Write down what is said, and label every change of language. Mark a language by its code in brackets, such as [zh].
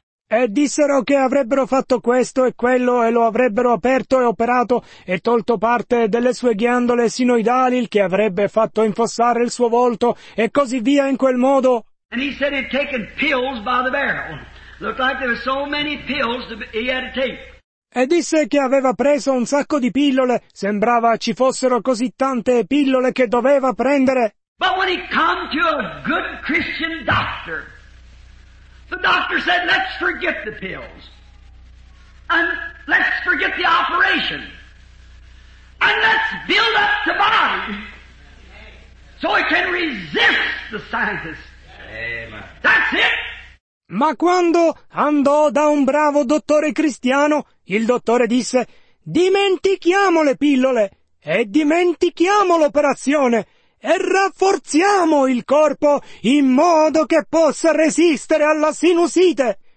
[it] E dissero che avrebbero fatto questo e quello e lo avrebbero aperto e operato e tolto parte delle sue ghiandole sinoidali, il che avrebbe fatto infossare il suo volto e così via in quel modo. [en] And he said he'd taken pills by the barrel. Looked like there were so many pills he had to take. [it] E disse che aveva preso un sacco di pillole, sembrava ci fossero così tante pillole che doveva prendere. [en] But when he came to a good Christian doctor, the doctor said, let's forget the pills, and let's forget the operation, and let's build up the body, so it can resist the scientists. Amen. That's it! [it] Ma quando andò da un bravo dottore cristiano, il dottore disse, dimentichiamo le pillole, e dimentichiamo l'operazione, e rafforziamo il corpo in modo che possa resistere alla sinusite.